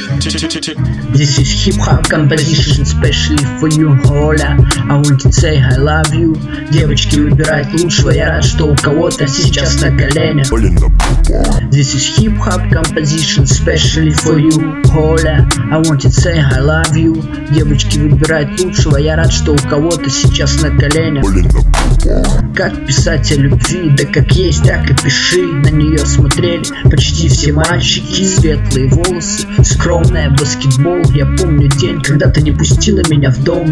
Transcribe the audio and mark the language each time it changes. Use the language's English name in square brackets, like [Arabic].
[English] This is Hip Hop Composition, especially for you, Hola. I want to say I love you. [Russian] Девочки выбирают лучшего, я рад, что у кого-то сейчас на коленях. [English] This is Hip Hop Composition, especially for you, Hola. I want to say I love you. [Russian] Девочки выбирают лучшего, я рад, что у кого-то сейчас на коленях. Как писать о любви, да как есть, так и пиши. На нее смотрели почти все мальчики. Светлые волосы, скромная, баскетбол. Я помню день, когда ты не пустила меня в дом.